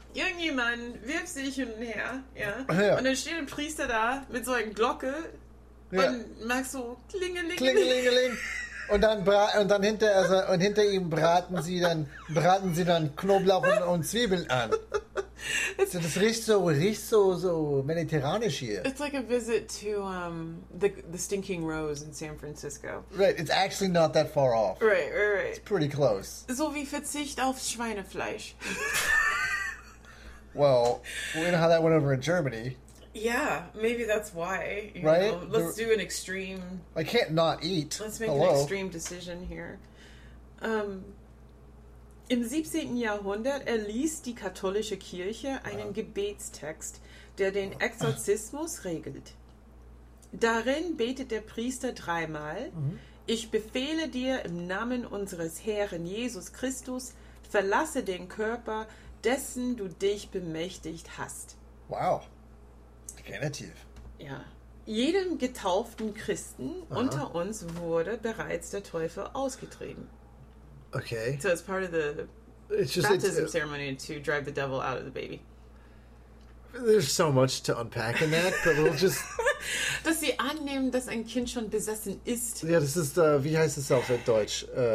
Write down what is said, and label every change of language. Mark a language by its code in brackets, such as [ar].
[de] Irgendjemand wirft sich hin und her, ja? Ja. Und dann steht ein Priester da mit so einer Glocke, ja. Und macht so klingeling. Klingelingeling. Und dann hinter ihm braten sie dann Knoblauch und Zwiebeln an. So, das riecht so mediterranisch hier. [en] It's like a visit to the Stinking Rose in San Francisco. Right, it's actually not that far off. Right. It's pretty close. [de] So wie Verzicht auf Schweinefleisch. [en] Well, we know how that went over in Germany. Yeah, maybe that's why. You right? Know? Let's do an extreme... I can't not eat. Let's make Hello. An extreme decision here. [de] Im 17. Jahrhundert erließ die katholische Kirche einen Gebetstext, der den Exorzismus regelt. Darin betet der Priester dreimal: Ich befehle dir im Namen unseres Herrn Jesus Christus, verlasse den Körper, dessen du dich bemächtigt hast. Wow, definitiv. Ja. Jedem getauften Christen unter uns wurde bereits der Teufel ausgetrieben. Okay. [en] So it's part of the baptism ceremony to drive the devil out of the baby. There's so much to unpack in that, but we'll just... [de] Dass sie annehmen, dass ein Kind schon besessen ist. Ja, das ist, wie heißt es auf Deutsch?